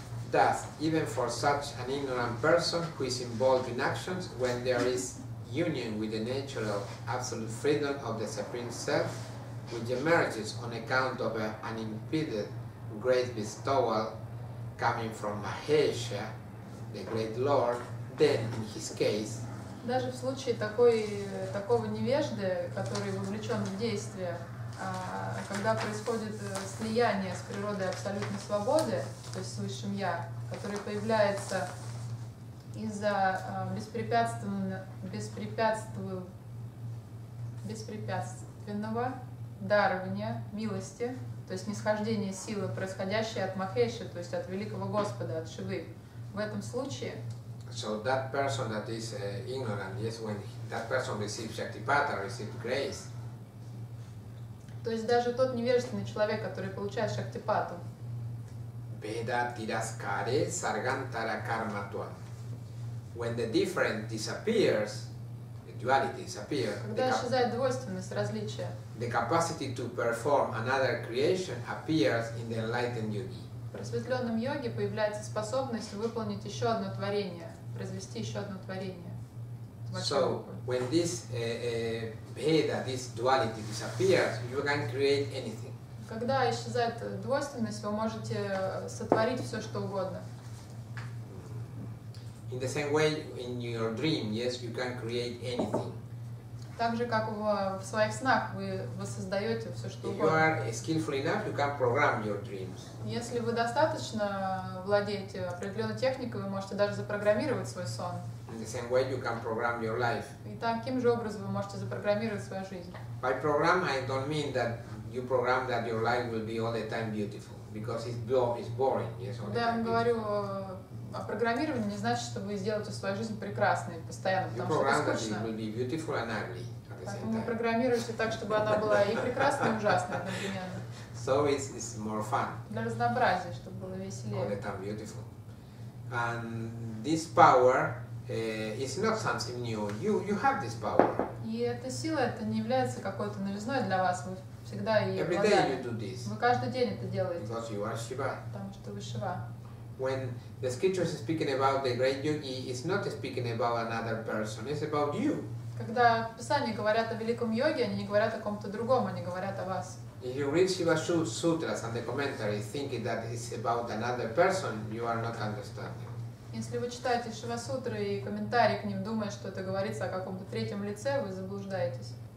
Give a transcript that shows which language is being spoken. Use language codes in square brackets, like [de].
[en] Thus, even for such an ignorant person who is involved in actions, when there is union with the nature of absolute freedom of the Supreme Self, which emerges on account of an unimpeded great bestowal coming from Mahesha, the great Lord, then in his case, [ru] даже в случае такого невежды, который вовлечен в действие, когда происходит слияние с природой абсолютной свободы, то есть с высшим Я, который появляется из-за беспрепятственного дарования, милости, то есть нисхождения силы, происходящей от Махеши, то есть от Великого Господа, от Шивы. В этом случае. [en] So that person that is ignorant, yes, when that person receives Shaktipata, receives grace. [ru] То есть даже тот невежественный человек, который получает Шактипату. [sa] Veda tiraskare sargantara karmatva. [en] When the difference disappears, the duality disappears. [ru] Когда исчезает двойственность, различие. [en] The capacity to perform another creation appears in the enlightened yogi. [ru] В просветленном йоге появляется способность выполнить еще одно творение. Произвести еще одно творение. [en] So, when this Veda, this duality disappears, you can create anything. [ru] Когда исчезает двойственность, вы можете сотворить все, что угодно. [en] In the same way, in your dream, yes, you can create anything. [ru] Так же, как в своих снах вы воссоздаете все, что угодно. [en] If you are skillful enough, you can program your dreams. [ru] Если вы достаточно владеете определенной техникой, вы можете даже запрограммировать свой сон. [en] In the same way, you can program your life. [ru] И таким же образом вы можете запрограммировать свою жизнь. [en] By program, I don't mean that you program that your life will be all the time beautiful, because it's boring. Yes, [ru] да, я говорю о программировании, не значит, что вы сделаете свою жизнь прекрасной постоянно, [en] you [ru] потому что это скучно. [en] That it will be beautiful and ugly at the same time. [ru] Вы программируете так, чтобы она была и прекрасной, и ужасной одновременно. [en] So it's more fun. [ru] Для разнообразия, чтобы было веселее. [en] All the time beautiful. And this power is not something new. You have this power. [ru] И эта сила, это не является какой-то новизной для вас. Вы всегда ее обладали. [en] Every day you do this. [ru] Вы каждый день это делаете. [en] Because you are Shiva. [ru] Потому что вы Шива. [en] When the scriptures is speaking about the great yogi, it's not speaking about another person. It's about you. [ru] Когда в Писании говорят о великом йоге, они не говорят о ком-то другом, они говорят о вас. [en] If you read Shiva sutras and the commentary, thinking that it's about another person, you are not understanding. [ru] Если вы читаете Шива сутры и комментарии к ним, думая, что это говорится о каком-то третьем лице, вы заблуждаетесь.